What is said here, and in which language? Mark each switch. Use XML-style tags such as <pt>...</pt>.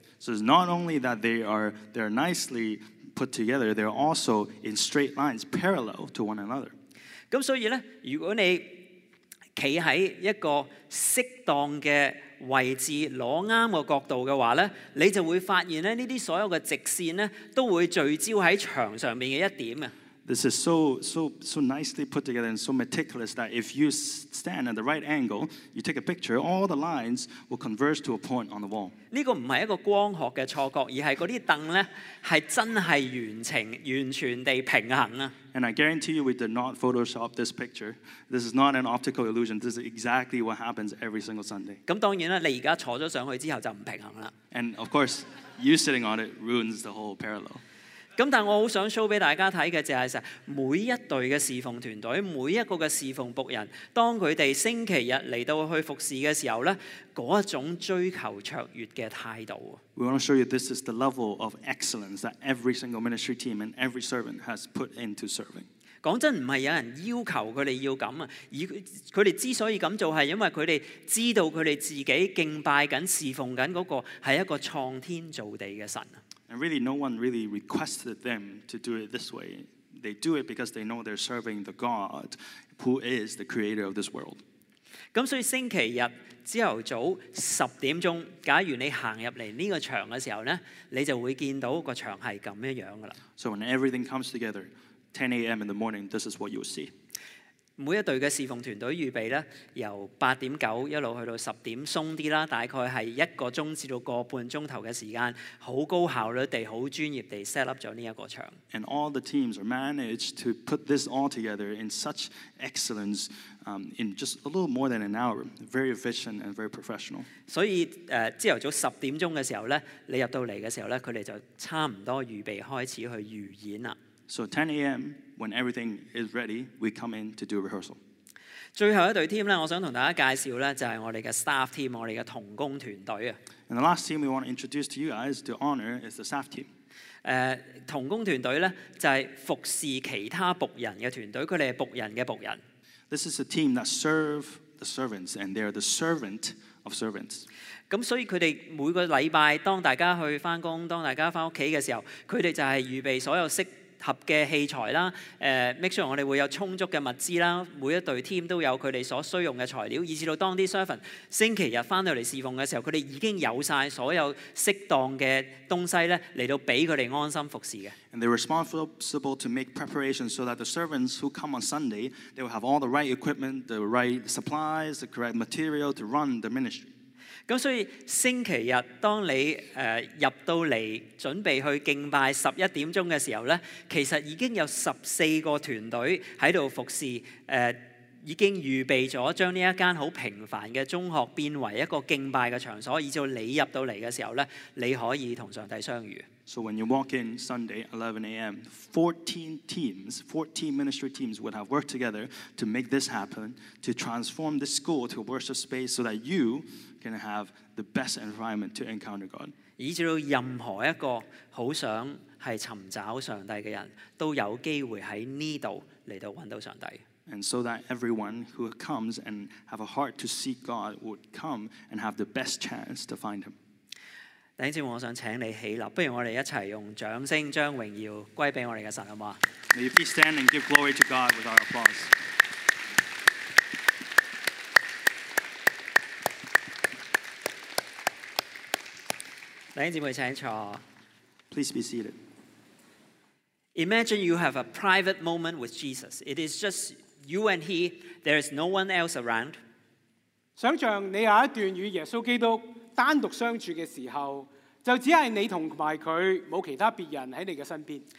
<en>So it's not only that they're nicely put together, they're also in straight lines, parallel to one another.</en> <yue>咁所以咧，如果你企喺一個適當嘅位置，攞啱個角度嘅話咧，你就會發現咧，呢啲所有嘅直線咧，都會聚焦喺牆上面嘅一點啊。</yue> <en>This is so nicely put together and so meticulous that if you stand at the right angle, you take a picture, all the lines will converge to a point on the wall.</en> <yue>呢個唔係一個光學嘅錯覺，而係嗰啲凳咧係真係完全地平衡啊。</yue> <en>And I guarantee you, we did not Photoshop this picture. This is not an optical illusion. This is exactly what happens every single Sunday.</en> <yue>咁當然啦，你而家坐咗上去之後就唔平衡啦。</yue> <en>And of course, you sitting on it ruins the whole parallel.</en> <yue>咁但我好想 show 俾大家睇嘅就係每一隊嘅侍奉團隊，每一個嘅侍奉仆人，當佢哋星期日嚟到去服侍嘅時候咧，嗰一種追求卓越嘅態度。</yue> <en>We want to show you this is the level of excellence that every single ministry team and every servant has put into serving.</en> <yue>講真，唔係有人要求佢哋要咁啊，而佢哋之所以咁做，係因為佢哋知道佢哋自己敬拜緊、侍奉緊嗰個係一個創天造地嘅神。</yue> <en>And really, no one really requested them to do it this way. They do it because they know they're serving the God who is the creator of this world.</en> <yue>咁所以星期日朝头早十点钟，假如你行入嚟呢个墙嘅时候咧，你就会见到个墙系咁样样噶啦。</yue> <en>So when everything comes together, 10 a.m. in the morning, this is what you'll see.</en> <yue>每一隊的侍奉團隊預備呢，由8:09一路去到10:00鬆啲啦，大概是一個鐘至到個半鐘頭的時間，很高效率地、很專業地 set up 咗呢一個場。</yue> <en>And all the teams are managed to put this all together in such excellence, in just a little more than an hour. Very efficient and very professional.</en> <yue>所以朝頭早10:00嘅時候咧，你入到嚟嘅時候咧，佢哋就差唔多預備開始去預演啦。</yue> <en>So 10 a.m. when everything is ready, we come in to do a rehearsal.</en> <yue>最後一隊 team 咧，我想同大家介紹咧，就係我哋嘅 staff team， 我哋嘅童工團隊啊。</yue> <en>And the last team we want to introduce to you guys to honor is the staff team.</en> <yue>童工團隊咧就係服侍其他仆人嘅團隊，佢哋係仆人嘅仆人。</yue> <en>This is a team that serve the servants, and they are the servant of servants.</en> <yue>所以他們每個禮拜當大家去上班當大家回家的時候他們就是預備所有適合的器材</yue> <en>make sure</en> <yue>我們會有充足的物資每一隊 team 都有他們所需用的材料以至到當 servant 星期日回來侍奉的時候他們已經有所有適當的東西來到給他們安心服侍的</yue> <en>And they're responsible to make preparations so that the servants who come on Sunday they will have all the right equipment the right supplies the correct material to run the ministry</en> <yue>所以星期日當你入到嚟準備去敬拜11:00嘅時候咧，其實已經有14個團隊喺度服侍，已經預備咗將呢一間好平凡嘅中學變為一個敬拜嘅場所，以至你入到嚟嘅時候咧，你可以同上帝相遇。</yue> <en>So when you walk in Sunday 11 a.m., 14 teams, 14 ministry teams would have worked together to make this happen, to transform this school to a worship space so that you can have the best environment to encounter God.</en> <yue>以至到任何一個好想係尋找上帝嘅人都有機會喺呢度嚟到揾到上帝。</yue> <en>And so that everyone who comes and have a heart to seek God would come and have the best chance to find him.</en> <yue>弟兄姊妹，我想请你起立，不如我哋一齐用掌声将荣耀归俾我哋嘅神，好唔好啊</yue> <en>？May you please stand and give glory to God with our applause.</en> <yue>弟兄姊妹，请坐。</yue> <en>Please be seated. Imagine you have a private moment with Jesus. It is just you and He. There is no one else around.</en> <yue>想象你有一段与耶稣基督单独相处嘅时候。就只係你同埋佢，冇其他別人喺你嘅身邊。</yue>